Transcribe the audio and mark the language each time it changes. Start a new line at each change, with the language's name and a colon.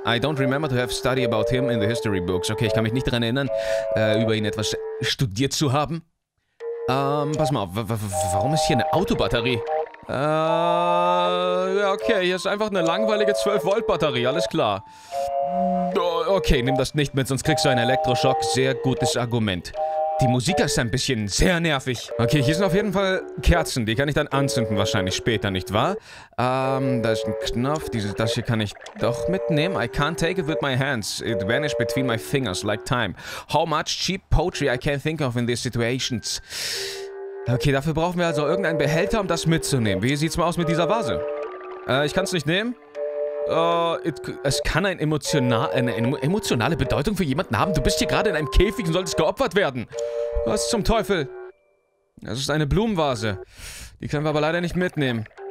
English: I don't remember to have studied about him in the history books.
German: Okay, ich kann mich nicht daran erinnern, über ihn etwas studiert zu haben. Pass mal auf, warum ist hier eine Autobatterie? Okay, hier ist einfach eine langweilige 12-Volt-Batterie, alles klar. Okay, nimm das nicht mit, sonst kriegst du einen Elektroschock. Sehr gutes Argument. Die Musik ist ein bisschen sehr nervig. Okay, hier sind auf jeden Fall Kerzen, die kann ich dann anzünden wahrscheinlich später, nicht wahr? Da ist ein Knopf, das hier kann ich doch mitnehmen.
English: I can't take it with my hands, it vanished between my fingers like time. How much cheap poetry I can think of in these situations.
German: Okay, dafür brauchen wir also irgendeinen Behälter, um das mitzunehmen. Wie sieht's mal aus mit dieser Vase? Ich kann's nicht nehmen. Es kann eine emotionale Bedeutung für jemanden haben. Du bist hier gerade in einem Käfig und solltest geopfert werden. Was zum Teufel? Das ist eine Blumenvase. Die können wir aber leider nicht mitnehmen.